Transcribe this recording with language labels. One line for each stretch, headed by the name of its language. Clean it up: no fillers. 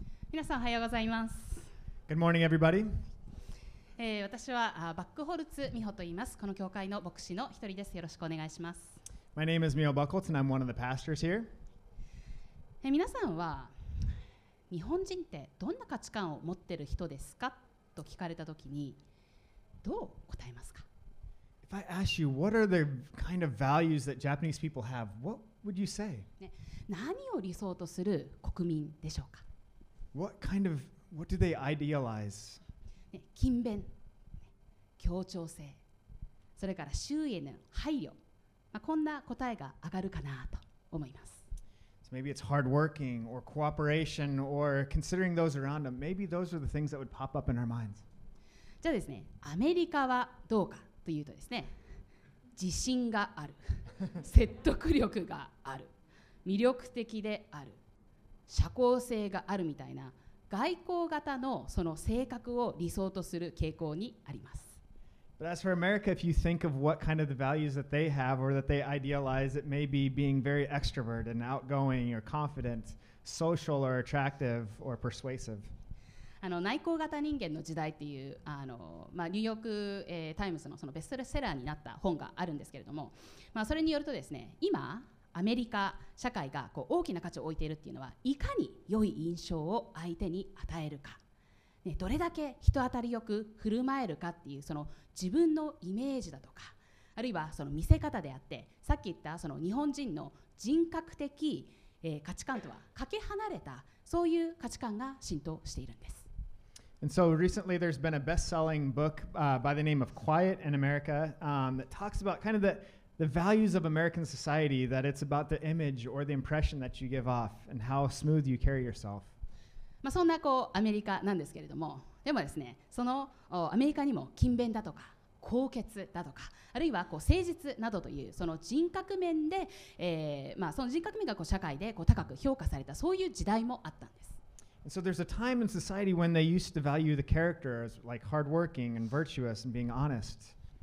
Japanese: 皆さんおはようございます。
English: Good morning everybody、
Japanese: 私はバックホルツ美穂と言います。この教会の牧師の一人です。よろしくお願いします。
English: My name is Mio Buckholz and I'm one of the pastors here、
Japanese: 皆さんは日本人ってどんな価値観を持ってる人ですかと聞かれたときにどう答えますか。
English: If I ask you what are the kind of values that Japanese people have, what would you say?
Japanese: 何を理想とする国民でしょうか。
English: What do they idealize?
Japanese: 勤勉、協調性、それから周囲への配慮、こんな答えが上がるかなと思います。
English: So maybe it's hard working or cooperation or considering those around them. Maybe those are the things that would pop up in our minds.
Japanese: じゃあですね、アメリカはどうかというとですね、自信がある、説得力がある、魅力的である、社交性があるみたいな外交型のその性格を理想とする傾向にあります。
English: But as for America, if you think of what kind of the values that they have or that they idealize, it may be being very extrovert and outgoing or confident, social or attractive or persuasive.
Japanese: 内向型人間の時代っていうニューヨーク、タイムズ の, そのベストセラーになった本があるんですけれども、それによるとですね、今アメリカ社会がこう大きな価値を置いているっていうのは、いかに良い印象を相手に与えるか、ね、どれだけ人当たりよく振る舞えるかっていう、その自分のイメージだとか、あるいはその見せ方であって、さっき言ったその日本人の人格的、価値観とはかけ離れた、そういう価値観が浸透しているんです。
English: And so recently there's been a best-selling book by the name of Quiet in America that talks about kind of the values of American society, that it's about the image or the impression that you give off and how smooth you carry yourself.
Japanese: そんなこうアメリカなんですけれども、でもですね、そのアメリカにも勤勉だとか、高潔だとか、あるいはこう誠実などという、その人格面で、その人格面がこう社会でこう高く評価された、そういう時代もあったんです。
English: And so there's a time in society when they used to value the characters like hardworking and virtuous and being honest.